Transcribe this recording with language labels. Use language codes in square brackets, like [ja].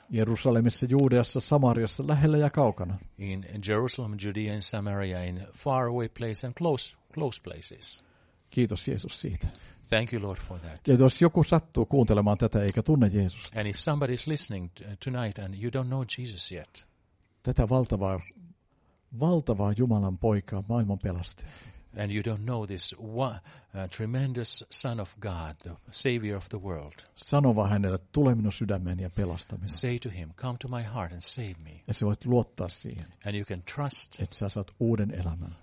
[fi] Jerusalemissa, Juudeassa, Samariassa, lähellä ja kaukana. [en] In Jerusalem, Judea and Samaria, in far away places and close places. [fi] Kiitos Jeesus siitä. [en] Thank you Lord for that. [fi] Ja jos joku sattuu kuuntelemaan tätä eikä tunne Jeesusta. [en] And if somebody is listening tonight and you don't know Jesus yet. [fi] Tätä valtavaa Jumalan poikaa, maailman pelastajaa. [en] And you don't know this tremendous Son of God, the Savior of the world. [fi] Sano vaan hänelle, tule minun sydämeni ja pelasta minut. [en] Say to him, come to my heart and save me. [fi] Ja sä voit luottaa siihen. [en] And you can trust. [fi] Että sä saat uuden elämän.